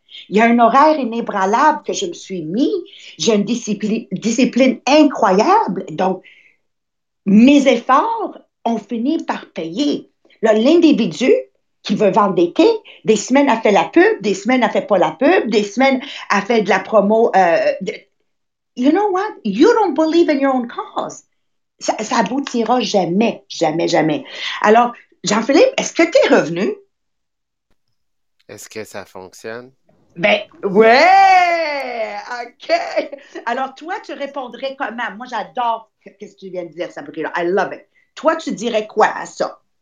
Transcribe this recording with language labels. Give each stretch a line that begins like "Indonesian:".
French: Il y a un horaire inébranlable que je me suis mis. J'ai une discipline incroyable. Donc, mes efforts ont fini par payer. Là, l'individu qui veut vendre des quais, des semaines a fait la pub, des semaines a fait pas la pub, des semaines a fait de la promo.
English: You know what? You don't believe in your own cause.
French: Ça aboutira jamais, jamais, jamais. Alors, Jean-Philippe, est-ce que tu es revenu? Est-ce que ça fonctionne? Ben, ouais! OK! Alors, toi, tu répondrais comment? Moi, j'adore ce que tu viens de dire, Sabrina.
English: I love it.
French: Toi, tu dirais quoi à ça?